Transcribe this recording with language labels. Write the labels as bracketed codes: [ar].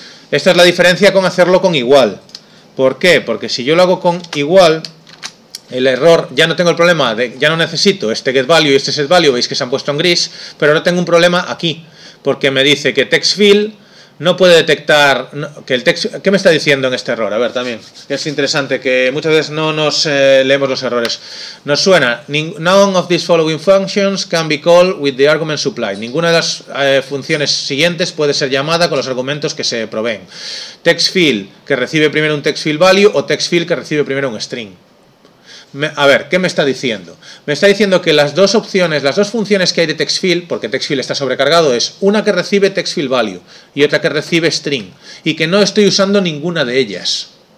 [es] Esta es la diferencia con hacerlo con igual. ¿Por qué? Porque si yo lo hago con igual, el error, ya no tengo el problema de, ya no necesito este getValue y este setValue, veis que se han puesto en gris, pero ahora tengo un problema aquí, porque me dice que textFill no puede detectar que el texto. ¿Qué me está diciendo en este error? A ver, también. Es interesante que muchas veces no nos leemos los errores. Nos suena. [en] None of these following functions can be called with the argument supplied. [es] Ninguna de las funciones siguientes puede ser llamada con los argumentos que se proveen. TextFill, que recibe primero un TextFill value, o TextFill, que recibe primero un string. A ver, ¿qué me está diciendo? Me está diciendo que las dos opciones, las dos funciones que hay de TextFill, porque TextFill está sobrecargado, es una que recibe TextFill value y otra que recibe string, y que no estoy usando ninguna de ellas.